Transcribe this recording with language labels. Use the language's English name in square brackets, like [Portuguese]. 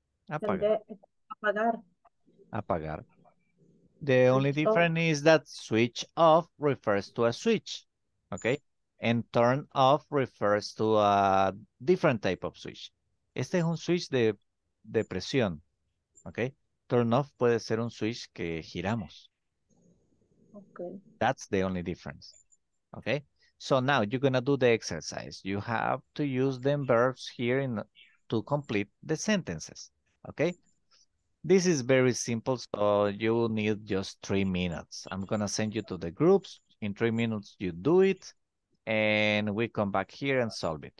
[Spanish] Apagar. Apagar. [English] The only difference is that switch off refers to a switch, okay? And turn off refers to a different type of switch. [Spanish] Este es un switch de presión, okay? Turn off puede ser un switch que giramos. [English] Okay. That's the only difference, okay? So now you're going to do the exercise. You have to use them verbs here in to complete the sentences, okay? This is very simple, so you need just 3 minutes. I'm going to send you to the groups. In 3 minutes, you do it, and we come back here and solve it.